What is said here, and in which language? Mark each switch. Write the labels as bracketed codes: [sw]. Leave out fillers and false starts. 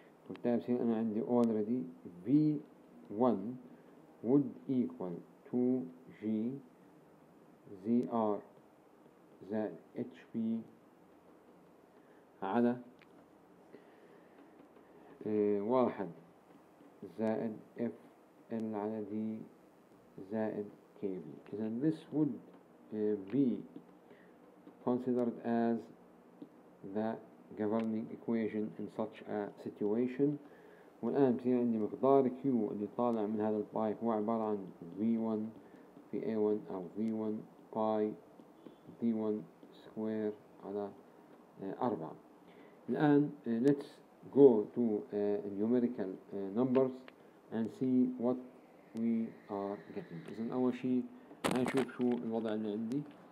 [ar] وبالتالي بصير أنا عندي already V1 [en] would equal [ar] 2G ZR زائد HP على 1 زائد F L على D زائد KV. [en] إذن this would be considered as the governing equation in such a situation. [ar] والآن بصير عندي مقدار Q اللي طالع من هذا البايب هو عبارة عن V1 في A1 أو V1 باي D1 سكوير على 4. [en] الآن let's go to numerical numbers and see what we are getting. [ar] إذن أول شيء هنشوف شو الوضع اللي عندي.